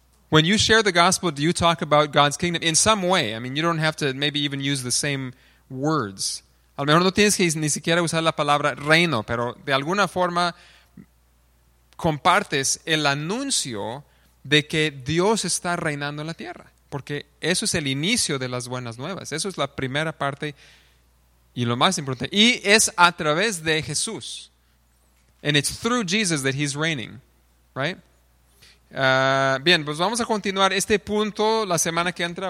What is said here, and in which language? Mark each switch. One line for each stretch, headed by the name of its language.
English: When you share the gospel, do you talk about God's kingdom in some way? I mean, you don't have to maybe even use the same words.
Spanish: A lo mejor no tienes que ni siquiera usar la palabra reino, pero de alguna forma compartes el anuncio de que Dios está reinando en la tierra. Porque eso es el inicio de las buenas nuevas. Eso es la primera parte y lo más importante. Y es a través de Jesús.
English: And it's through Jesus that he's reigning, right?
Spanish: Bien, pues vamos a continuar este punto la semana que entra.